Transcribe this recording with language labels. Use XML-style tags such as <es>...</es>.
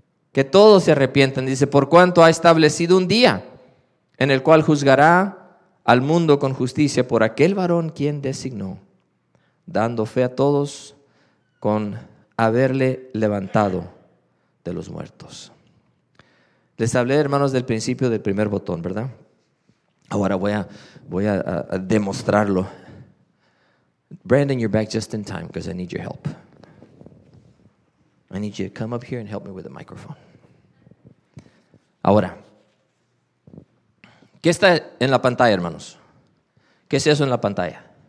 <es>Que todos se arrepientan, dice, por cuanto ha establecido un día en el cual juzgará al mundo con justicia por aquel varón quien designó, dando fe a todos con haberle levantado de los muertos. Les hablé, hermanos, del principio del primer botón, ¿verdad? Ahora voy a demostrarlo.</es> <en>Brandon, you're back just in time because I need your help. I need you to come up here and help me with the microphone.</en> <es>Ahora, ¿qué está en la pantalla, hermanos? ¿Qué es eso en la pantalla?</es>